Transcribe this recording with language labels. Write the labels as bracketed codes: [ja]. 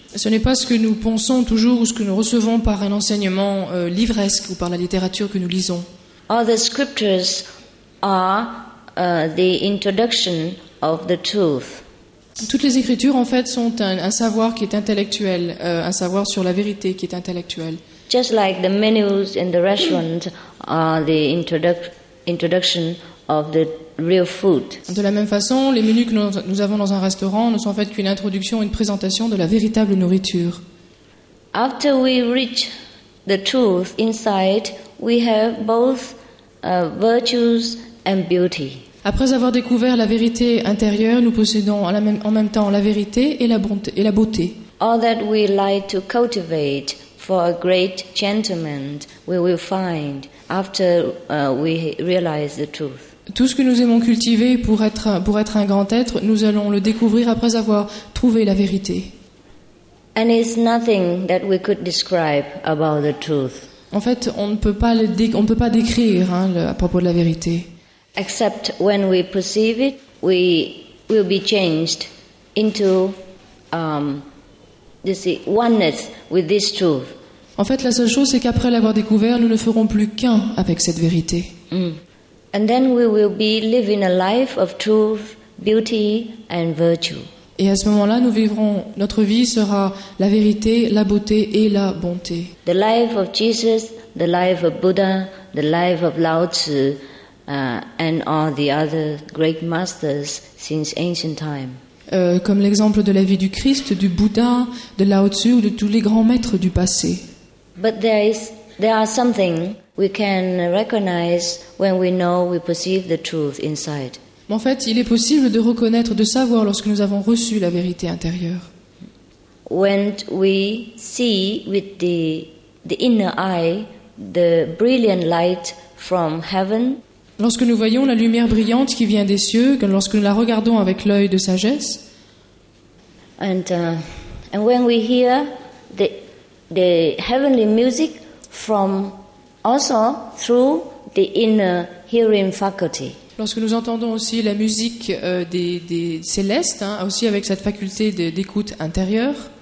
[fr] Ce n'est pas ce que nous pensons toujours ou ce que nous recevons par un enseignement livresque ou par la littérature que nous lisons. [en] All the scriptures are the introduction of the truth. [fr] Toutes les écritures en fait sont un savoir qui est intellectuel, un savoir sur la vérité qui est intellectuel. [en] Just like the menus in the restaurant are the introduction of the real food. [fr] De la même façon, les menus que nous avons dans un restaurant ne sont en fait qu'une introduction, une présentation de la véritable nourriture. [en] After we reach the truth inside, we have both virtues and beauty. [fr] Après avoir découvert la vérité intérieure, nous possédons en même temps la vérité et la beauté. [en] All that we like to cultivate for a great gentleman, we will find after we realize the truth. [fr] Tout ce que nous aimons cultiver pour être un grand être, nous allons le découvrir après avoir trouvé la vérité. [en] And it's nothing that we could describe about the truth. [fr] En fait, on ne peut pas décrire à propos de la vérité. [en] Except when we perceive it, we will be changed into oneness with this truth. [fr] En fait, la seule chose, c'est qu'après l'avoir découvert, nous ne ferons plus qu'un avec cette vérité. [en] And then we will be living a life of truth, beauty, and virtue. [fr] Et à ce moment-là, nous vivrons, notre vie sera la vérité, la beauté et la bonté. [en] The life of Jesus, the life of Buddha, the life of Lao Tzu, and all the other great masters since ancient time. [fr] Comme l'exemple de la vie du Christ, du Bouddha, de Lao Tzu ou de tous les grands maîtres du passé. [en] But there are something we can recognize when we know we perceive the truth inside. [fr] En fait, il est possible de reconnaître, de savoir lorsque nous avons reçu la vérité intérieure. [en] When we see with the inner eye the brilliant light from heaven. [fr] Lorsque nous voyons la lumière brillante qui vient des cieux, lorsque nous la regardons avec l'œil de sagesse. [en] And when we hear the heavenly music from also through the inner hearing faculty. [fr] Lorsque nous entendons aussi la musique des célestes, hein, aussi avec cette faculté d'écoute intérieure.